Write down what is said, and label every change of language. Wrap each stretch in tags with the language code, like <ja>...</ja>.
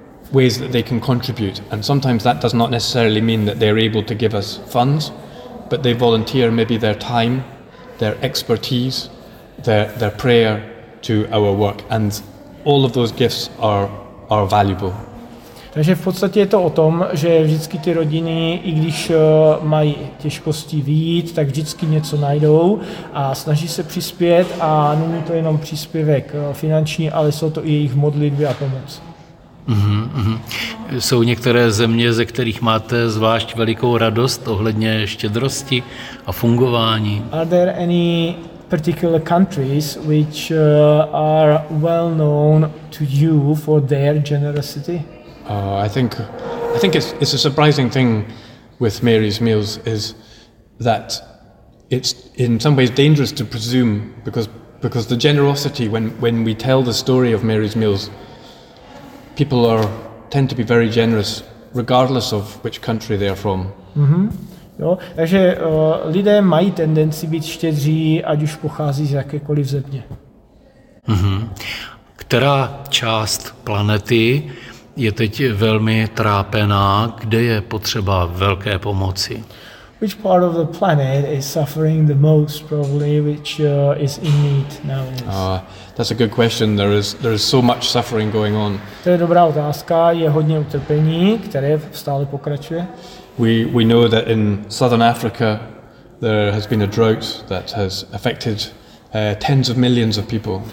<en>ways that they can contribute, and sometimes that does not necessarily mean that they're able to give us funds, but they volunteer maybe their time, their expertise, their prayer to our work, and all of those gifts are valuable.</en> <cs>Takže v podstatě je to o tom, že vždycky ty rodiny, i když mají těžkosti vyjít, tak vždycky něco najdou a snaží se přispět, a není to jenom příspěvek finanční, ale jsou to i jejich modlitby a pomoc. Jsou některé země, ze kterých máte zvlášť velikou radost ohledně štědrosti a fungování?</cs> <en>Are there any particular countries which are well known to you for their generosity? I think it's a surprising thing with Mary's Meals is that it's in some ways dangerous to presume because the generosity when we tell the story of Mary's Meals, people tend to be very generous regardless of which country they are from.</en> <cs>Jo, takže lidé mají tendenci být štědří, ať už pochází z jakékoliv země. Která část planety je teď velmi trápená, kde je potřeba velké pomoci?</cs> <en>Which part of the planet is suffering the most, probably, which is in need nowadays? That's a good question. There is so much suffering going on.</en> <cs>To je dobrá otázka. Je hodně utrpení, které stále pokračuje.</cs> <en>We know that in southern Africa there has been a drought that has affected tens of millions of people.</en>